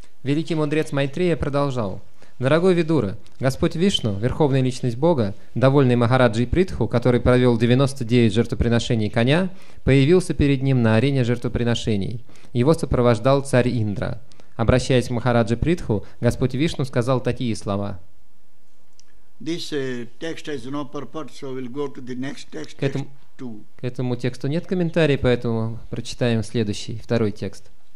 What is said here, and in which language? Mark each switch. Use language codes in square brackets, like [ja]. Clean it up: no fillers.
[ru] Великий мудрец Майтрея продолжал. Дорогой Видура, Господь Вишну, Верховная Личность Бога, довольный Махараджи Притху, который провел 99 жертвоприношений коня, появился перед ним на арене жертвоприношений. Его сопровождал царь Индра. Обращаясь к Махараджи Притху, Господь Вишну сказал такие слова. [en] This text has no purport, so we'll go to the next text. [ru] К этому тексту нет комментариев, поэтому прочитаем следующий, второй текст.